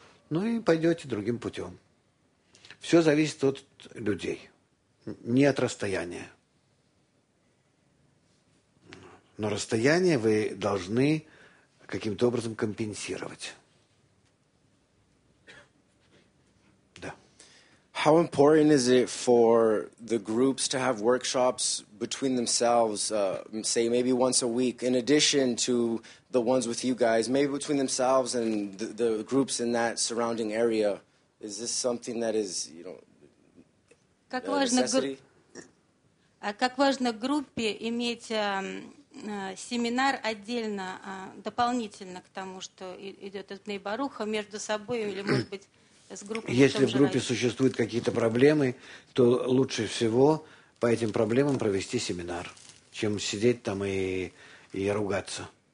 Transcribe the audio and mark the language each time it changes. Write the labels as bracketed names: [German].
[Russian] Ну, и пойдете другим путем. Все зависит от людей, не от расстояния. Но расстояние вы должны каким-то образом компенсировать. [English] How important is it for the groups to have workshops between themselves, say maybe once a week, in addition to the ones with you guys, maybe between themselves and the groups in that surrounding area? Is this something that is, you know, [Russian] как важно necessity? Как важно группе иметь семинар отдельно, дополнительно к тому, что идет от Бней Баруха, между собой или, может быть, если в группе существуют какие-то проблемы, то лучше всего по этим проблемам провести семинар, чем сидеть там и ругаться.